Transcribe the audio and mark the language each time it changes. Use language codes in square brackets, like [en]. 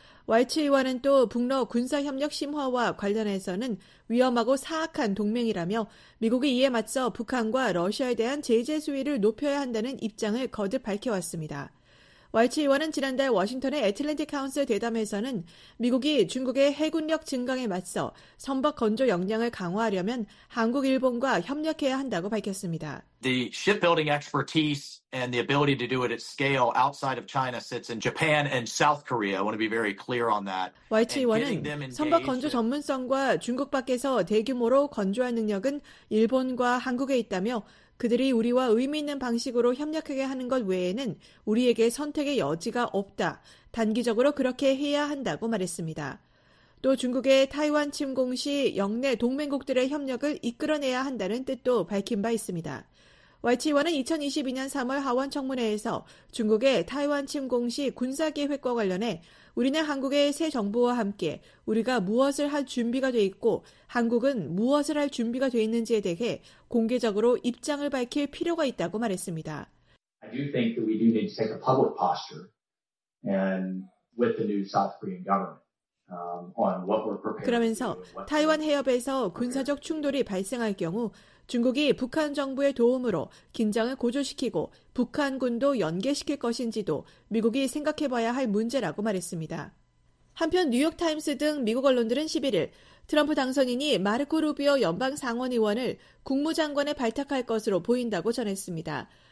[ko] 왈츠 의원은 또 북러 군사협력 심화와 관련해서는 위험하고 사악한 동맹이라며 미국이 이에 맞서 북한과 러시아에 대한 제재 수위를 높여야 한다는 입장을 거듭 밝혀왔습니다. 왈츠 의원은 지난달 워싱턴의 애틀랜틱 카운슬 대담에서는 미국이 중국의 해군력 증강에 맞서 선박 건조 역량을 강화하려면 한국, 일본과 협력해야 한다고 밝혔습니다. [en] The shipbuilding expertise and the ability to do it at scale outside of China sits in Japan and South Korea. I want to be very clear on that. [ko] 왈츠 의원은 선박 건조 전문성과 중국 밖에서 대규모로 건조할 능력은 일본과 한국에 있다며 그들이 우리와 의미 있는 방식으로 협력하게 하는 것 외에는 우리에게 선택의 여지가 없다. 단기적으로 그렇게 해야 한다고 말했습니다. 또 중국의 타이완 침공 시 영내 동맹국들의 협력을 이끌어내야 한다는 뜻도 밝힌 바 있습니다. 왈츠 의원은 2022년 3월 하원 청문회에서 중국의 타이완 침공 시 군사계획과 관련해 우리는 한국의 새 정부와 함께 우리가 무엇을 할 준비가 돼 있고 한국은 무엇을 할 준비가 돼 있는지에 대해 공개적으로 입장을 밝힐 필요가 있다고 말했습니다. [en] I do think that we do need to take a public posture and with the new South Korean government. [ko] 그러면서 타이완 해협에서 군사적 충돌이 발생할 경우 중국이 북한 정부의 도움으로 긴장을 고조시키고 북한군도 연계시킬 것인지도 미국이 생각해봐야 할 문제라고 말했습니다. 한편 뉴욕타임스 등 미국 언론들은 11일 트럼프 당선인이 마르코 루비오 연방 상원의원을 국무장관에 발탁할 것으로 보인다고 전했습니다.